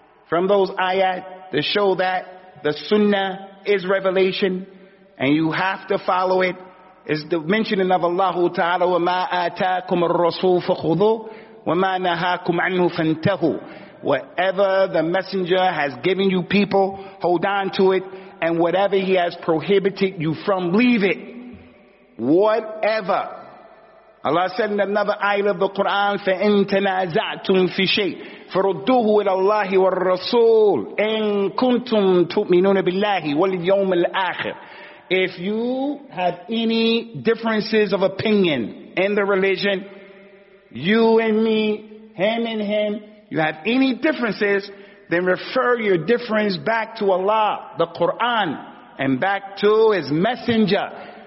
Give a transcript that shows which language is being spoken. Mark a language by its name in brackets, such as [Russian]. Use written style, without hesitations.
[English] From those ayat to show that the Sunnah is revelation, and you have to follow it, is the mentioning of Allah Ta'ala, [Arabic] وَمَا آتَاكُمْ الرَّسُولُ فَخُذُوهُ وَمَا نَهَاكُمْ عَنْهُ فَانْتَهُوا. [English] Whatever the Messenger has given you people, hold on to it. And whatever he has prohibited you from, leave it. Whatever. Allah said in another ayah of the Quran, [Arabic] فَإِن تَنَازَعْتُمْ فِي شَيْءٍ فَرُدُّوهُ إِلَى اللَّهِ وَالرَّسُولِ إِن كُنْتُمْ تُؤْمِنُونَ بِاللَّهِ وَالْيَوْمِ الْآخِرِ. [English] If you have any differences of opinion in the religion, you and me, him and him, you have any differences, then refer your difference back to Allah, the Quran, and back to His Messenger.